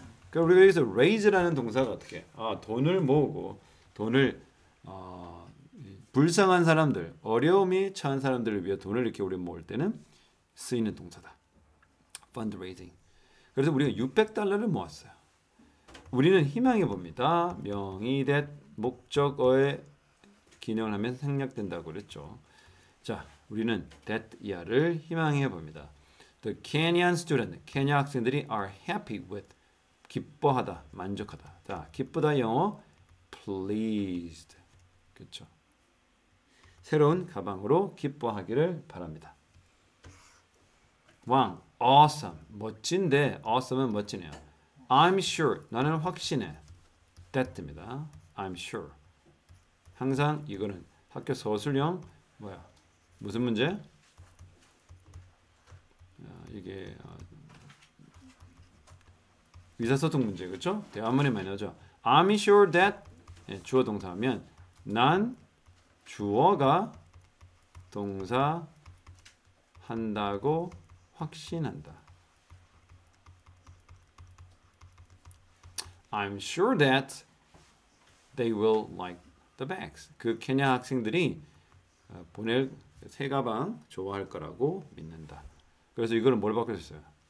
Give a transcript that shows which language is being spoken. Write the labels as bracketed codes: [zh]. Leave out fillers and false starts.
[ko] 그러니까 우리가 여기서 raise라는 동사가 어떻게? 아, 돈을 모으고 돈을 불쌍한 사람들, 어려움이 처한 사람들을 위해 돈을 이렇게 우리 모을 때는 쓰이는 동사다. [en] fundraising. [ko] 그래서 우리가 600달러를 모았어요. 우리는 희망해 봅니다. 명의 that 목적어의 기능을 하면 생략된다고 그랬죠. 자, 우리는 that 이하를 희망해 봅니다. [en] The Kenyan student, [ko] 케냐 학생들이 [en] are happy with, [ko] 기뻐하다, 만족하다. 자, 기쁘다 영어 pleased, 그렇죠? 새로운 가방으로 기뻐하기를 바랍니다. 왕, awesome, 멋진데, awesome은 멋지네요. [en] I'm sure, [ko] 나는 확신해. That입니다. [en] I'm sure. [ko] 항상 이거는 학교 서술형, 뭐야? 무슨 문제? 이게 의사소통 문제, 그렇죠? 대화문에 많이 나오죠. [en] I'm sure that [ko] 주어 동사하면 난 주어가 동사 한다고 확신한다. [en] I'm sure that they will like the bags. [ko] 그 케냐 학생들이 보낼 새 가방 좋아할 거라고 믿는다. 그래서 이거는 뭘 바꿨어요?